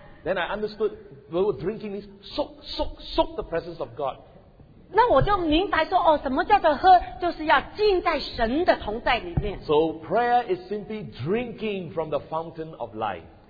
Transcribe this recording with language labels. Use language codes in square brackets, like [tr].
[en] Then I understood we were drinking this soak, soak, soak the presence of God. [zh] 那我就明白说,什么叫做喝,就是要浸在神的同在里面。 [en] So prayer is simply drinking from the fountain of life.